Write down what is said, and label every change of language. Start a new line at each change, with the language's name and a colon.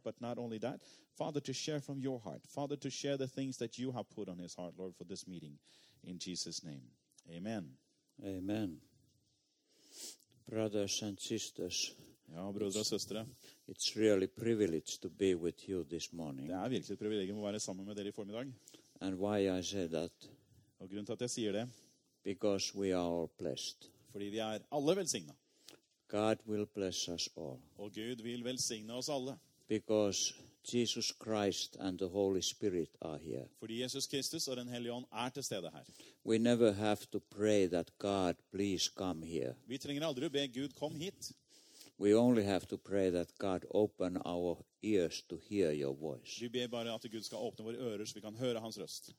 English: But not only that, Father, to share from your heart. Father, to share the things that you have put on his heart, Lord, for this meeting. In Jesus' name, amen. Amen. Brothers and sisters,
Swedish: ja, bröder och systrar.
English: It's really a privilege to be with you this morning.
Swedish: Det är verkligen ett privilegium att vara samman med dig i förmiddag.
English: And why I say that?
Swedish: Och grunden till att jag säger det?
English: Because we are all blessed.
Swedish: Fordi vi är alla välsigna.
English: God will bless us all.
Swedish: Och Gud vill välsigna oss alla.
English: Because Jesus Christ and the Holy Spirit are here.
Norwegian: Fordi Jesus Kristus og den hellige ånd til stede her.
English: We never have to pray that God please come here.
Norwegian: Vi trenger aldrig be Gud kom hit.
English: We only have to pray that God open our ears to hear your voice.
Norwegian: Vi ber bare at Gud skal åpne våre ører så vi kan høre hans røst.